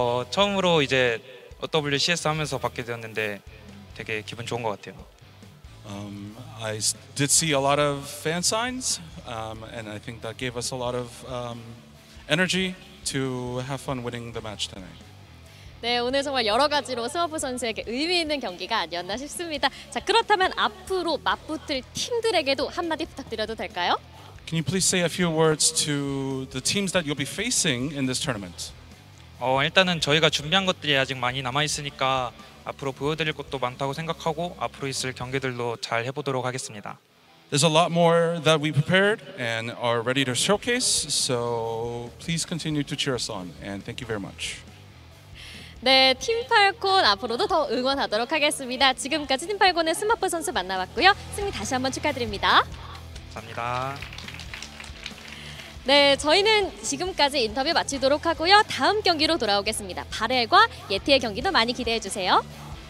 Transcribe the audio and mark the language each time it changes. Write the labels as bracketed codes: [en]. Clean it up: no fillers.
[ko] 처음으로 이제 OWCS 하면서 받게 되었는데 되게 기분 좋은 것 같아요. [en] I did see a lot of fan signs, and I think that gave us a lot of energy to have fun winning the match tonight. [ko] 네, 오늘 정말 여러 가지로 스머프 선수에게 의미 있는 경기가 아니었나 싶습니다. 자, 그렇다면 앞으로 맞붙을 팀들에게도 한마디 부탁드려도 될까요? [en] Can you please say a few words to the teams that you'll be facing in this tournament? [ko] 일단은 저희가 준비한 것들이 아직 많이 남아 있으니까 앞으로 보여드릴 것도 많다고 생각하고 앞으로 있을 경기들도 잘 해보도록 하겠습니다. [en] There's a lot more that we prepared and are ready to showcase, so please continue to cheer us on, and thank you very much. [ko] 네, 팀팔콘 앞으로도 더 응원하도록 하겠습니다. 지금까지 팀팔콘의 스머프 선수 만나봤고요. 승리 다시 한번 축하드립니다. 감사합니다. 네, 저희는 지금까지 인터뷰 마치도록 하고요. 다음 경기로 돌아오겠습니다. 바렐과 예티의 경기도 많이 기대해주세요.